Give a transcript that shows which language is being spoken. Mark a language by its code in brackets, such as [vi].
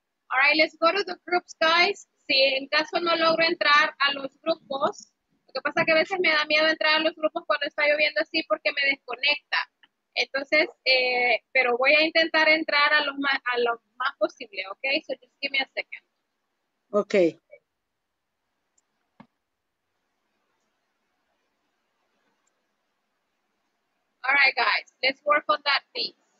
[en] All right, let's go to the groups, guys. [es] Si en caso no logro entrar a los grupos, lo que pasa es que a veces me da miedo entrar a los grupos cuando está lloviendo así porque me desconecta. Entonces, pero voy a intentar entrar a lo más posible, okay? [en] So just give me a second. Okay. All right, guys, let's work on that thing.